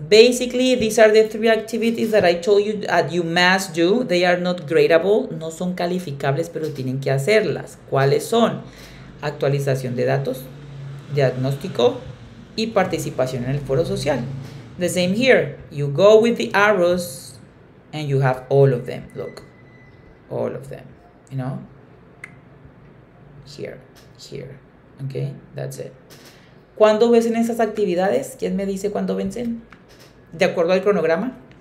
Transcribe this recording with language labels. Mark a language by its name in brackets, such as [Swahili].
[English] Basically, these are the three activities that I told you that you must do. They are not gradable. [Spanish] No son calificables, pero tienen que hacerlas. ¿Cuáles son? Actualización de datos, diagnóstico y participación en el foro social. [English] The same here. You go with the arrows and you have all of them. Look, all of them, you know, here. Okay, that's it. [Spanish] ¿Cuándo vencen esas actividades? ¿Quién me dice cuándo vencen? ¿De acuerdo al cronograma?